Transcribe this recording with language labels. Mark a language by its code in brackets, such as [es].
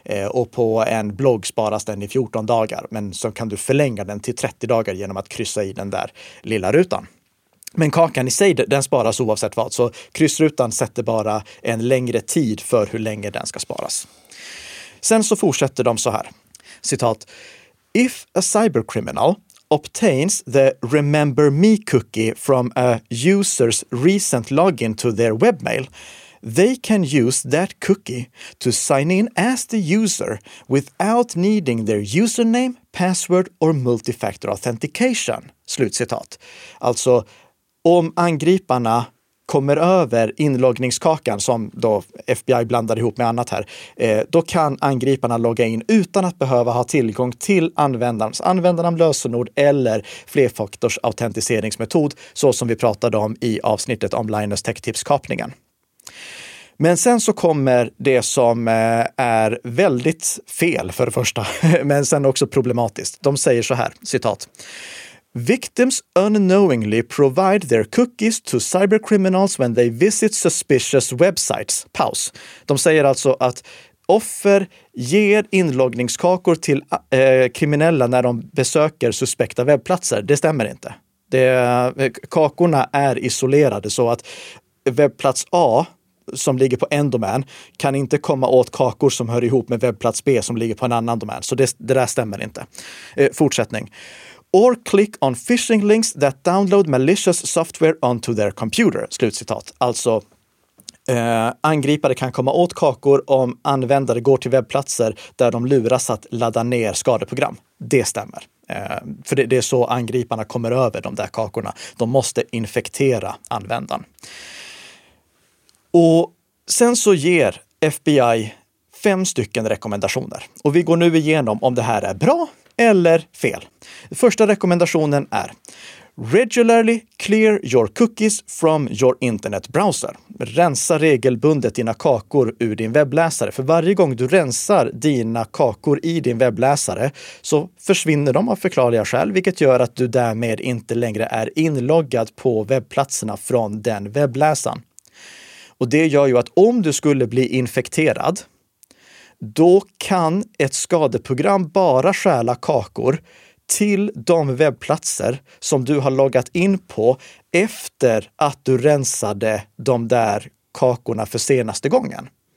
[sv] Och på en blogg sparas den i 14 dagar. Men så kan du förlänga den till 30 dagar genom att kryssa i den där lilla rutan. Men kakan i sig, den sparas oavsett vad. Så kryssrutan sätter bara en längre tid för hur länge den ska sparas. Sen så fortsätter de så här. Citat. [en] If a cybercriminal obtains the Remember Me cookie from a user's recent login to their webmail, they can use that cookie to sign in as the user without needing their username, password or multi-factor authentication. [sv] Slutcitat. Alltså, om angriparna kommer över inloggningskakan som då FBI blandar ihop med annat här, då kan angriparna logga in utan att behöva ha tillgång till användarnas lösenord eller flerfaktors autentiseringsmetod, så som vi pratade om i avsnittet om Linus Tech Tips-kapningen. Men sen så kommer det som är väldigt fel för det första, men sen också problematiskt. De säger så här, citat. [en] Victims unknowingly provide their cookies to cybercriminals when they visit suspicious websites. [sv] Paus. De säger alltså att offer ger inloggningskakor till kriminella när de besöker suspekta webbplatser. Det stämmer inte. Kakorna är isolerade, så att webbplats A som ligger på en domän kan inte komma åt kakor som hör ihop med webbplats B som ligger på en annan domän. Så det där stämmer inte. Fortsättning. [en] Or click on phishing links that download malicious software onto their computer. [sv] Slutcitat. Alltså, angripare kan komma åt kakor om användare går till webbplatser där de luras att ladda ner skadeprogram. Det stämmer. För det är så angriparna kommer över de där kakorna. De måste infektera användaren. Och sen så ger FBI 5 stycken rekommendationer. Och vi går nu igenom om det här är bra eller fel. Första rekommendationen är: [en] Regularly clear your cookies from your internet browser. [sv] Rensa regelbundet dina kakor ur din webbläsare. För varje gång du rensar dina kakor i din webbläsare så försvinner de av förklarliga skäl, vilket gör att du därmed inte längre är inloggad på webbplatserna från den webbläsaren. Och det gör ju att om du skulle bli infekterad, då kan ett skadeprogram bara stjäla kakor till de webbplatser som du har loggat in på efter att du rensade de där kakorna för senaste gången.